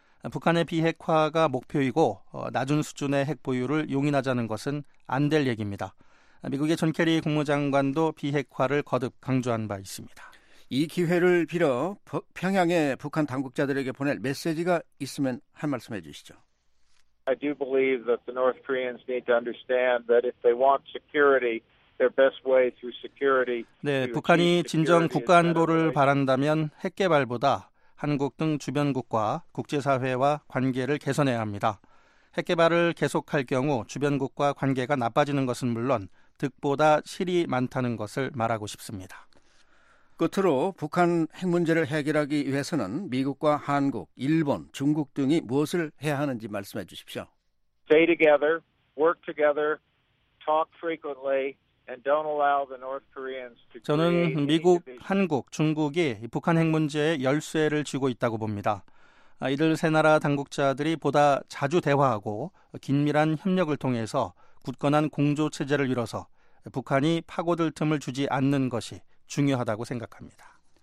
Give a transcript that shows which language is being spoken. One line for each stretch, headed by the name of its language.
Korean: 북한의 비핵화가 목표이고 낮은 수준의 핵 보유를 용인하자는 것은 안 될 얘기입니다. 미국의 존 케리 국무장관도 비핵화를 거듭 강조한 바 있습니다. 이 기회를 빌어 평양의 북한 당국자들에게 보낼 메시지가 있으면 한 말씀해 주시죠.
English: I do believe that the North Koreans need to understand that if they want security, their best way through security.
Korean: 네, 북한이 진정 국가 안보를 바란다면 핵 개발보다 한국 등 주변국과 국제사회와 관계를 개선해야 합니다. 핵 개발을 계속할 경우 주변국과 관계가 나빠지는 것은 물론 득보다 실이 많다는 것을 말하고 싶습니다. 끝으로 북한 핵 문제를 해결하기 위해서는 미국과 한국, 일본, 중국 등이 무엇을 해야 하는지 말씀해 주십시오.
English: Stay together, work together, talk frequently, and don't allow the North Koreans to.
Korean: 저는 미국, 한국, 중국이 북한 핵 문제의 열쇠를 쥐고 있다고 봅니다. 이들 세 나라 당국자들이 보다 자주 대화하고 긴밀한 협력을 통해서 굳건한 공조 체제를 이뤄서 북한이 파고들 틈을 주지 않는 것이 중요하다고 생각합니다.